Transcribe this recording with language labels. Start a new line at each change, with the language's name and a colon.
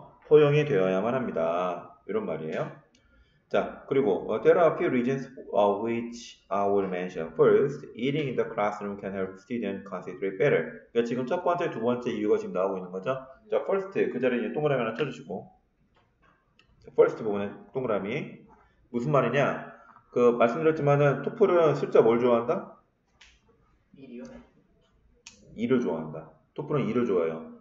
Korean: 허용이 되어야만 합니다. 이런 말이에요. 자, 그리고
English: there are a few reasons which I will mention. First, eating in the classroom can help students concentrate better.
Korean: 그러니까 지금 첫 번째, 두 번째 이유가 지금 나오고 있는 거죠? 자, first, 그 자리에 동그라미 하나 쳐주시고 first 부분에 동그라미 무슨 말이냐? 말씀드렸지만은 토플은 숫자 뭘 좋아한다? 일이요? 일을 좋아한다. 토플은 일을 좋아해요.